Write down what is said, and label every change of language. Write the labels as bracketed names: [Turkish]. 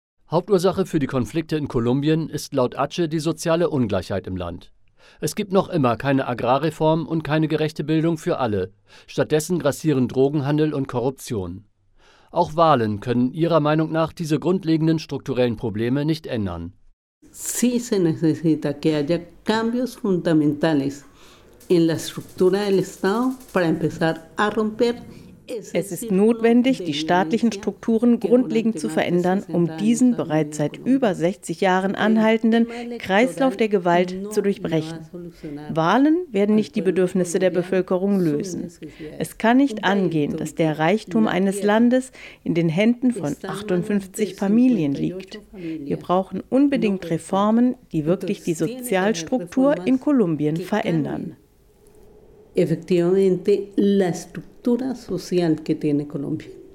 [German] Hauptursache für die Konflikte in Kolumbien ist laut Ache die soziale Ungleichheit im Land. Es gibt noch immer keine Agrarreform und keine gerechte Bildung für alle. Stattdessen grassieren Drogenhandel und Korruption. Auch Wahlen können ihrer Meinung nach diese grundlegenden strukturellen Probleme nicht ändern. [Spanish] Sí se necesita que haya cambios fundamentales en la estructura del Estado para empezar a romper. [German] Es ist notwendig, die staatlichen Strukturen grundlegend zu verändern, um diesen bereits seit über 60 Jahren anhaltenden Kreislauf der Gewalt zu durchbrechen. Wahlen werden nicht die Bedürfnisse der Bevölkerung lösen. Es kann nicht angehen, dass der Reichtum eines Landes in den Händen von 58 Familien liegt. Wir brauchen unbedingt Reformen, die wirklich die Sozialstruktur in Kolumbien verändern. [Spanish] efectivamente la estructura social que tiene Colombia.